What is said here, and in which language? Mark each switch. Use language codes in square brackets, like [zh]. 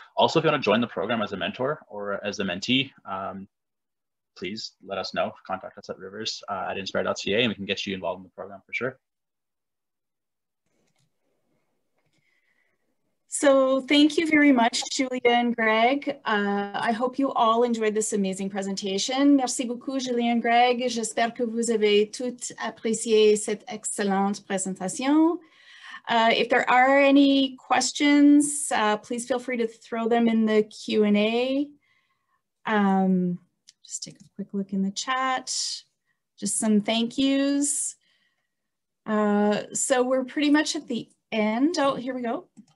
[en] Also, if you want to join the program as a mentor or as a mentee, please let us know. Contact us at rivers@inspire.ca, and we can get you involved in the program for sure. So thank you very much, Julia and Greg. I hope you all enjoyed this amazing presentation. [fr] Merci beaucoup, Julia and Greg. J'espère que vous avez toutes apprécié cette excellente présentation. [en] If there are any questions, please feel free to throw them in the Q&A. Just take a quick look in the chat. Just some thank yous. So we're pretty much at the end. Oh, here we go.